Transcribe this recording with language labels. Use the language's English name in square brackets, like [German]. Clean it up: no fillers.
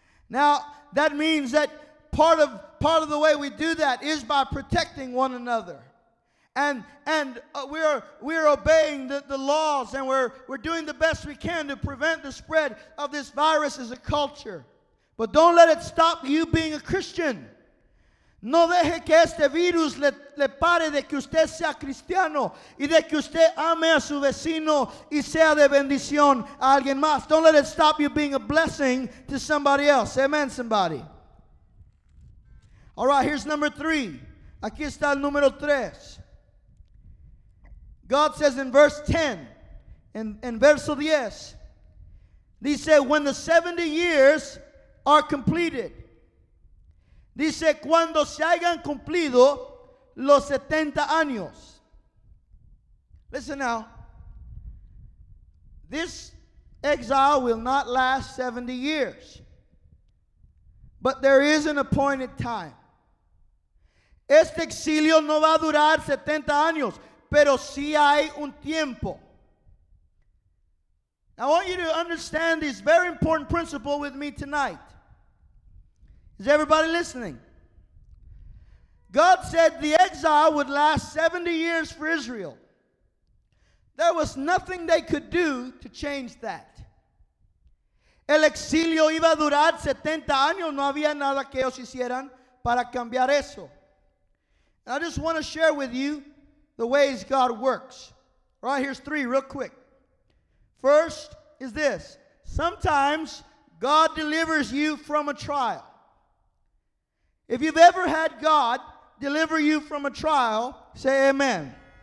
[English] Now, that means that part of the way we do that is by protecting one another. And we're obeying the laws, and we're doing the best we can to prevent the spread of this virus as a culture. But don't let it stop you being a Christian. [Spanish] No deje que este virus le pare de que usted sea cristiano y de que usted ame a su vecino y sea de bendición a alguien más. [English] Don't let it stop you being a blessing to somebody else. Amen, somebody. All right, here's number three. [Spanish] Aquí está el número tres. [English] God says in verse 10, in verso 10, he said, when the 70 years are completed. [Spanish] Dice, cuando se hayan cumplido los 70 años. [English] Listen now. This exile will not last 70 years. But there is an appointed time. [Spanish] Este exilio no va a durar 70 años, pero sí hay un tiempo. [English] I want you to understand this very important principle with me tonight. Is everybody listening? God said the exile would last 70 years for Israel. There was nothing they could do to change that. [Spanish] El exilio iba a durar 70 años. No había nada que ellos hicieran para cambiar eso. [English] And I just want to share with you the ways God works. All right, here's three real quick. First is this. Sometimes God delivers you from a trial. If you've ever had God deliver you from a trial, say amen.